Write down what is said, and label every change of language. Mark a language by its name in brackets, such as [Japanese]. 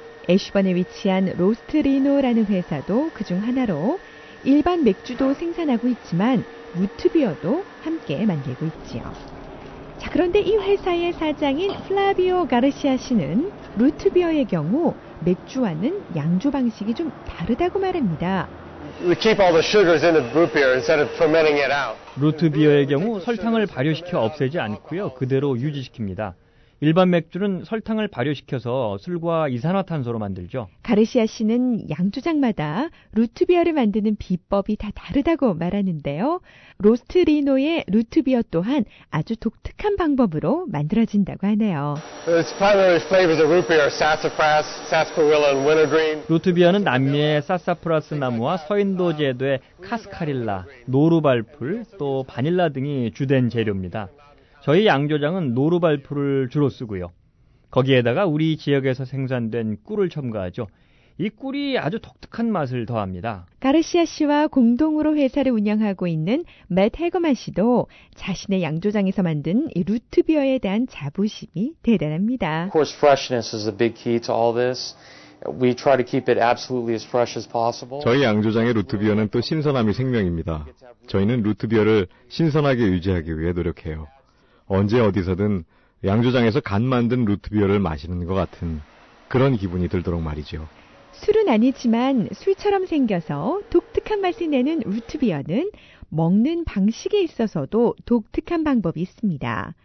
[Korean] 애쉬번에 위치한 로스트리노라는 회사도 그중 하나로 일반 맥주도 생산하고 있지만 루트비어도 함께 만들고 있지요. 자, 그런데 이 회사의 사장인 플라비오 가르시아 씨는 루트비어의 경우 맥주와는 양조 방식이 좀 다르다고 말합니다. [English] We keep all the sugars in the root beer instead of fermenting it out. [Korean] 루트비어의 경우 설탕을 발효시켜 없애지 않고요. 그대로 유지시킵니다. 일반 맥주는 설탕을 발효시켜서 술과 이산화탄소로 만들죠. 가르시아 씨는 양조장마다 루트비어를 만드는 비법이 다 다르다고 말하는데요. 로스트리노의 루트비어 또한 아주 독특한 방법으로 만들어진다고 하네요. [English] Its primary flavors are root beer, sassafras, sarsaparilla, and wintergreen. [Korean] 루트비어는 남미의 사사프라스 나무와 서인도 제도의 카스카릴라, 노루발풀, 또 바닐라 등이 주된 재료입니다. 저희 양조장은 노루발풀을 주로 쓰고요. 거기에다가 우리 지역에서 생산된 꿀을 첨가하죠. 이 꿀이 아주 독특한 맛을 더합니다. 가르시아 씨와 공동으로 회사를 운영하고 있는 맷 헬그만 씨도 자신의 양조장에서 만든 이 루트비어에 대한 자부심이 대단합니다. [English] Of course, freshness is a big key to all this. We try to keep it absolutely as fresh as possible. [Korean] 저희 양조장의 루트비어는 또 신선함이 생명입니다. 저희는 루트비어를 신선하게 유지하기 위해 노력해요. 언제 어디서든 양조장에서 갓 만든 루트비어를 마시는 것 같은 그런 기분이 들도록 말이죠. 술은 아니지만 술처럼 생겨서 독특한 맛을 내는 루트비어는 먹는 방식에 있어서도 독특한 방법이 있습니다.